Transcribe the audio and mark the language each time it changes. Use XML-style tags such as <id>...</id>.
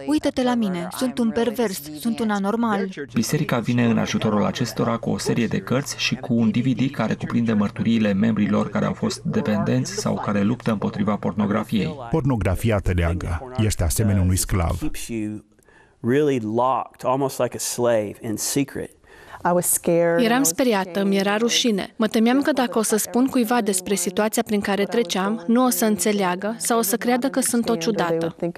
<ro>Uită-te la mine. Sunt un pervers. Sunt un anormal. Biserica vine în ajutorul acestora cu o serie de cărți și cu un DVD care cuprinde mărturiile membrilor care au fost dependenți sau care luptă împotriva pornografiei. Pornografia te leagă. Ești asemenea unui sclav.</ro> <en>Really locked, almost like a slave, in secret. I was scared.</en> <ro>Eram speriată, mi-era rușine. Mă temeam că dacă o să spun cuiva despre situația prin care treceam, nu o să înțeleagă sau o să creadă că sunt o ciudată.</ro>